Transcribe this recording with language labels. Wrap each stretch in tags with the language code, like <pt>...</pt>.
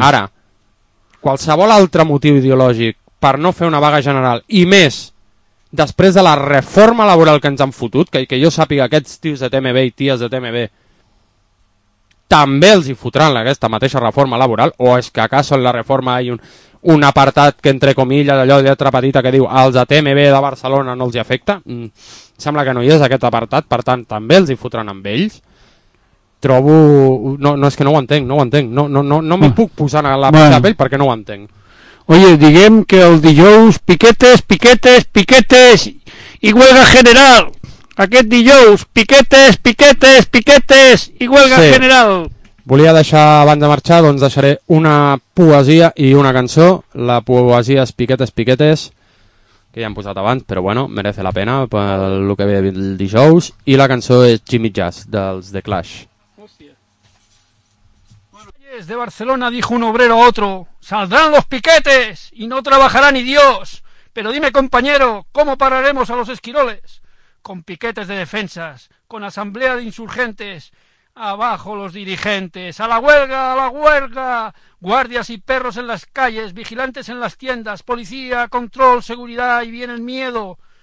<ca>Ara, qualsevol altre motiu ideològic per no fer una vaga general, i més després de la reforma laboral que ens han fotut, que jo sàpiga aquests tios de TMB i ties de TMB també els hi fotran aquesta mateixa reforma laboral, o és que acaso en la reforma hi ha un apartat que entre comilles, allò de lletra petita que diu els de TMB de Barcelona no els hi afecta? Sembla que no hi és aquest apartat, per tant també els hi fotran amb ells. Trobo... No, és que no ho entenc, no m'hi puc posar a la pell perquè no ho entenc. Oye, diguem que el dijous piquetes i</ca> <es>huelga general.</es> <ca>Aquest dijous piquetes i</ca> <es>huelga general.</es> <ca>Volia deixar abans de marxar, doncs deixaré una poesia i una cançó. La poesia és piquetes, que ja hem posat abans, però bueno,</ca> <es>merece la pena</es> <ca>pel que ve el dijous. I la cançó és Jimmy Jazz, dels The Clash.</ca> <es>De Barcelona dijo un obrero a otro: saldrán los piquetes y no trabajará ni Dios. Pero dime, compañero, ¿cómo pararemos a los esquiroles? Con piquetes de defensas, con asamblea de insurgentes. Abajo los dirigentes, a la huelga, guardias y perros en las calles, vigilantes en las tiendas, policía, control, seguridad y viene el miedo.</es>